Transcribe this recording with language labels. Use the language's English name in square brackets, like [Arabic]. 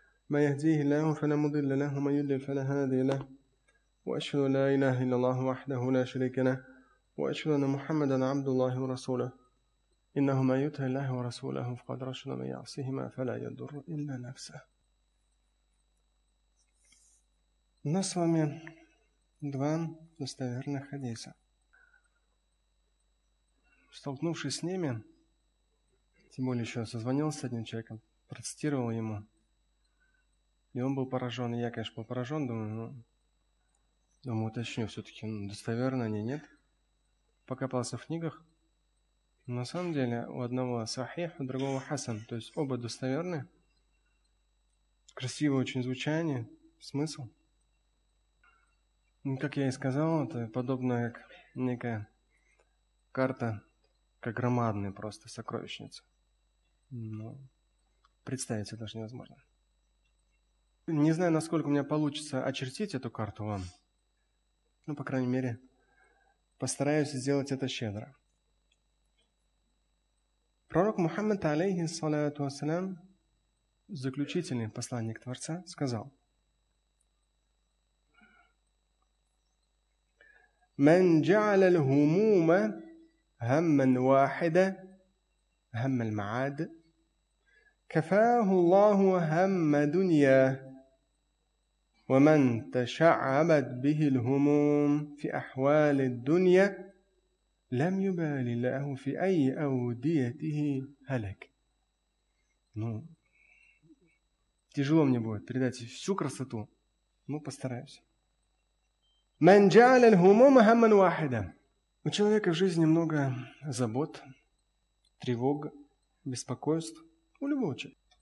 [Arabic] ما يهديه الله فلا مضل له، ومن يضلل فلا هادي له. وأشهد أن لا إله إلا الله وحده لا شريك له، وأشهد أن محمدا عبد الله ورسوله. إنه من يطع الله ورسوله فقد رشد، من يعصهما فلا يضر إلا نفسه. نص من [Russian] два достоверных хадиса. Столкнувшись с ними, тем более еще созвонился с одним человеком, процитировал ему, и он был поражен. Я, конечно, был поражен, думаю, уточню все-таки, достоверно они, нет? Покопался в книгах. На самом деле, у одного сахих, у другого хасан, то есть оба достоверны. Красивое очень звучание, смысл. Как я и сказал, это подобно как некая карта, как громадная просто сокровищница. Но представить это даже невозможно. Не знаю, насколько у меня получится очертить эту карту вам. Но, по крайней мере, постараюсь сделать это щедро. Пророк Мухаммад, алейхи салату ассалям, заключительный посланник Творца, сказал: [Arabic] من جعل الهموم هما واحدا هم المعاد كفاه الله هم دنيا ومن تشعبت به الهموم في أحوال الدنيا لم يبال له في أي أوديته هلك. [Russian] Ну, тяжело мне будет передать всю красоту, но постараюсь. [Arabic] من جعل الهموم هما واحدا. [Russian] У человека в жизни много забот, тревог, беспокойств. У любого человека.